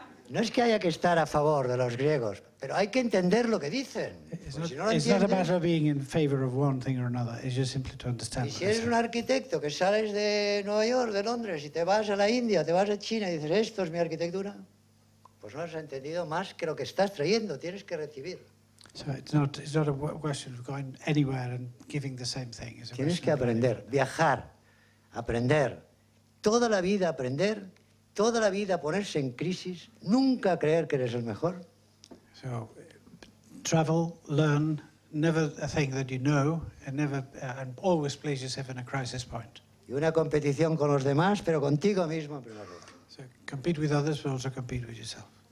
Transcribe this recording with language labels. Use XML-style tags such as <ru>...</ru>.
<es>No es que haya que estar a favor de los griegos, pero hay que entender lo que dicen.</es> <en>It's not a matter of being in favor of one thing or another. It's just simply to understand.</en> <es>Y si eres un arquitecto que sales de Nueva York, de Londres, y te vas a la India, te vas a China y dices, esto es mi arquitectura, pues no has entendido más que lo que estás trayendo. Tienes que recibir.</es> <en>So it's not a question of going anywhere and giving the same thing.</en> <es>Tienes que aprender, viajar, aprender, toda la vida aprender, toda la vida ponerse en crisis, nunca creer que eres el mejor.</es> <en>So travel, learn, never a thing that you know, and never and always place yourself in a crisis point.</en> <es>Y una competición con los demás, pero contigo mismo en primer lugar.</es> <en>So compete with others, but also compete with yourself.</en>